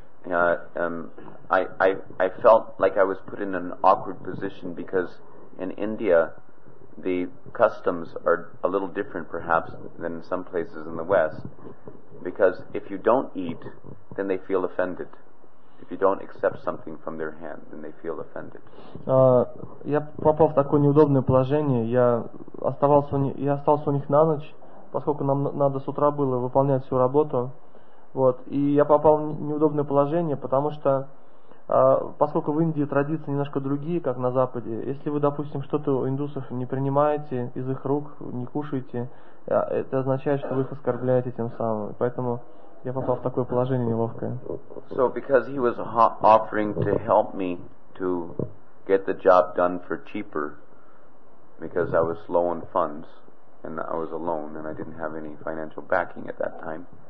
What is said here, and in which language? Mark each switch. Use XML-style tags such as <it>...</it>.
<en>I felt like I was put in an awkward position because in India the customs are a little different perhaps than in some places in the West, because if you don't eat, then they feel offended. If you don't accept something from their hand, then they feel offended.</en> <ru>Я попал в такое неудобное положение. Я остался у них на ночь, поскольку нам надо с утра было выполнять всю работу. Вот, и я попал в неудобное положение, потому что, поскольку в Индии традиции немножко другие, как на Западе, если вы, допустим, что-то у индусов не принимаете из их рук, не кушаете, это означает, что вы их оскорбляете тем самым. Поэтому я попал в такое положение неловкое.</ru> <en>So, because he was offering to help me to get the job done for cheaper, because I was low on funds, and I was alone, and I didn't have any financial backing at that time.</en>